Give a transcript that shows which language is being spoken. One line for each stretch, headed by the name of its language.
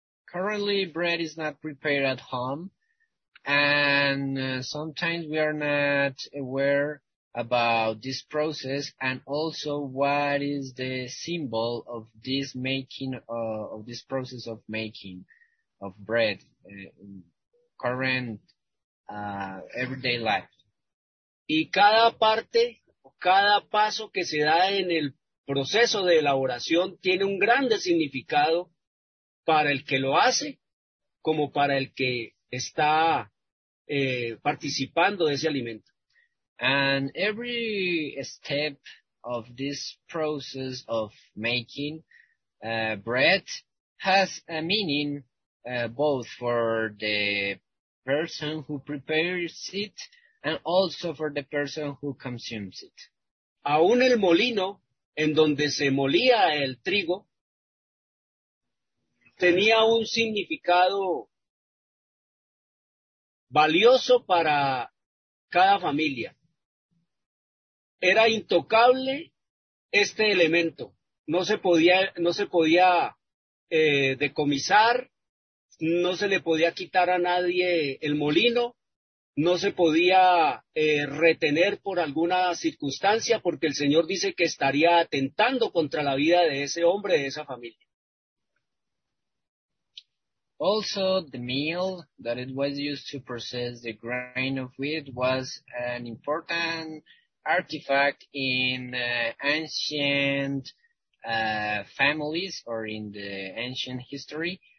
English: Currently, bread is not prepared at home, and sometimes we are not aware about this process and also what is the symbol of this making of this process of making of bread. Current everyday life.
Spanish: Y cada parte cada paso que se da en el proceso de elaboración tiene un grande significado para el que lo hace como para el que está participando de ese alimento.
English: And every step of this process of making bread has a meaning both for the person who prepares it and also for the person who consumes it.
Spanish: Aún el molino en donde se molía el trigo tenía un significado valioso para cada familia. Era intocable este elemento. No se podía decomisar, no se le podía quitar a nadie el molino, no se podía retener por alguna circunstancia, porque el Señor dice que estaría atentando contra la vida de ese hombre, de esa familia.
English: Also, the meal that it was used to process the grain of wheat was an important artifact in ancient families or in the ancient history.